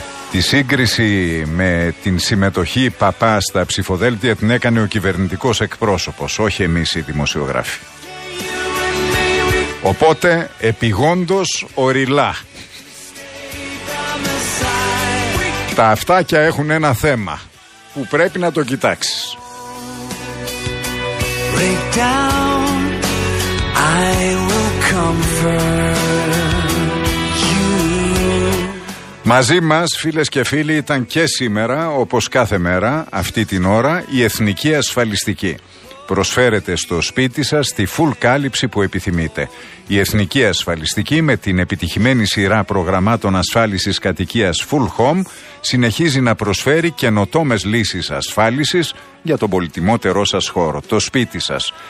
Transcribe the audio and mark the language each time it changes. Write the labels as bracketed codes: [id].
[el] Τη σύγκριση με την συμμετοχή Παπά στα ψηφοδέλτια την έκανε ο κυβερνητικός εκπρόσωπος, όχι εμείς οι δημοσιογράφοι. Οπότε, επιγόντως Οριλά. Τα αυτάκια έχουν ένα θέμα που πρέπει να το κοιτάξεις. [en] Break down, I will comfort you. [el] Μαζί μας, φίλες και φίλοι, ήταν και σήμερα, όπως κάθε μέρα, αυτή την ώρα, η Εθνική Ασφαλιστική. Προσφέρεται στο σπίτι σας τη full κάλυψη που επιθυμείτε. Η Εθνική Ασφαλιστική, με την επιτυχημένη σειρά προγραμμάτων ασφάλισης κατοικίας Full Home, συνεχίζει να προσφέρει καινοτόμες λύσεις ασφάλισης για τον πολυτιμότερό σας χώρο, το σπίτι σας.